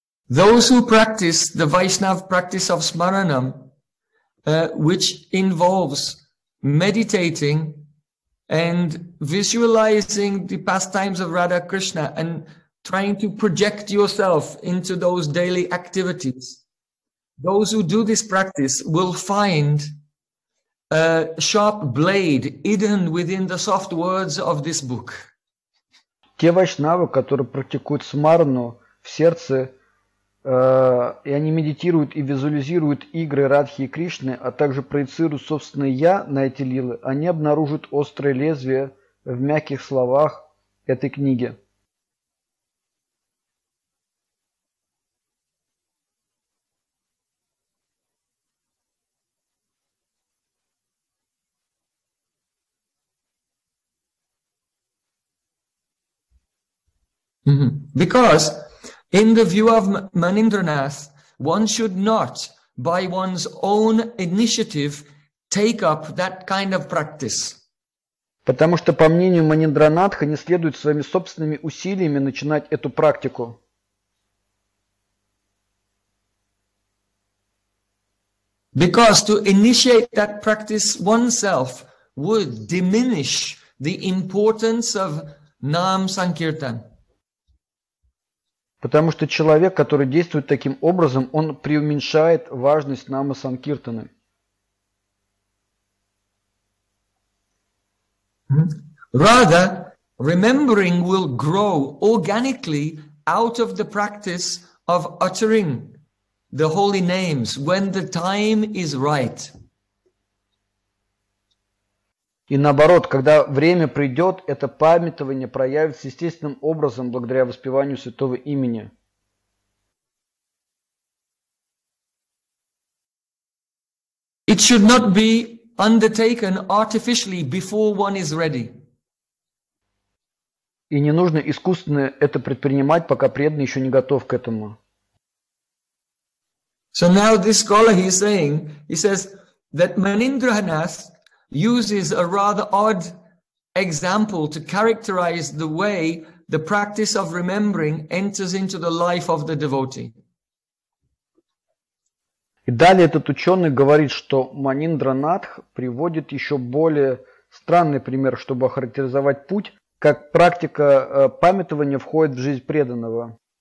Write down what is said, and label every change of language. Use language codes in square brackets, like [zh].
[en] Those who practice the Vaishnava practice of Smaranam, which involves meditating and visualizing the pastimes of Radha Krishna and trying to project yourself into those daily activities, those who do this practice will find a sharp blade hidden within the soft words of this book. [ru] Те вайшнавы, которые практикуют смарану в сердце, и они медитируют и визуализируют игры Радхи и Кришны, а также проецируют собственное «я» на эти лилы, они обнаружат острое лезвие в мягких словах этой книги. [en] Because in the view of Manindranath, one should not, by one's own initiative, take up that kind of practice. [ru] Потому что, по мнению Маниндранатха, не следует своими собственными усилиями начинать эту практику. [en] Because to initiate that practice oneself would diminish the importance of Nam Sankirtan. [ru] Потому что человек, который действует таким образом, он преуменьшает важность Нама-Санкиртаны. [en] Rather, remembering will grow organically out of the practice of uttering the holy names when the time is right. [ru] И наоборот, когда время придет, это памятование проявится естественным образом благодаря воспеванию святого имени. [en] It should not be undertaken artificially before one is ready. [ru] И не нужно искусственно это предпринимать, пока преданный еще не готов к этому. [en] So now this scholar he is saying, he says that Manindranath uses a rather odd example to characterize the way the practice of remembering enters into the life of the devotee. [ru] И далее этот ученый говорит, что Маниндранатх приводит еще более странный пример, чтобы охарактеризовать путь, как практика памятования входит в жизнь преданного.